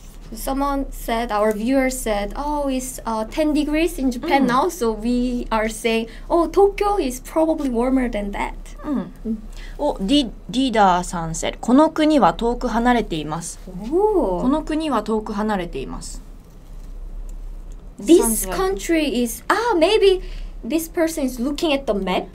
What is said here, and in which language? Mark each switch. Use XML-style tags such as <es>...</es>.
<en>うん、Someone said, our viewer said, oh, it's 10 degrees in Japan、うん、now, so we are saying, oh, Tokyo is probably warmer than that.</en> <ja>うん。うん、お、ディーダーさん said, この国は遠く離れています。この国は遠く離れています。</ja> <en>This country is, ah, maybe this person is looking at the map.</en>